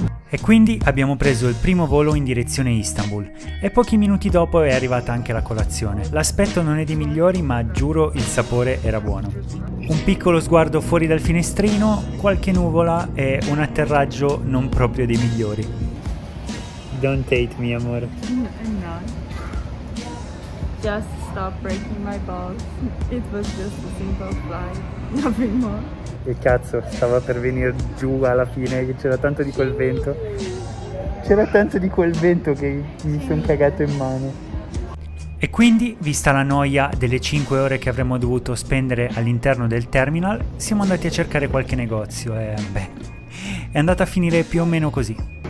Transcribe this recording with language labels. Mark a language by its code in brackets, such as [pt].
[it] E quindi abbiamo preso il primo volo in direzione Istanbul e pochi minuti dopo è arrivata anche la colazione. L'aspetto non è dei migliori, ma giuro il sapore era buono. Un piccolo sguardo fuori dal finestrino, qualche nuvola e un atterraggio non proprio dei migliori. [en] Don't hate me, amore. I'm not. Just stop breaking my balls. It was just a simple flight, nothing more. [it] E cazzo, stava per venire giù alla fine, c'era tanto di quel vento. C'era tanto di quel vento che mi sono cagato in mano. E quindi, vista la noia delle 5 ore che avremmo dovuto spendere all'interno del terminal, siamo andati a cercare qualche negozio e beh, è andata a finire più o meno così.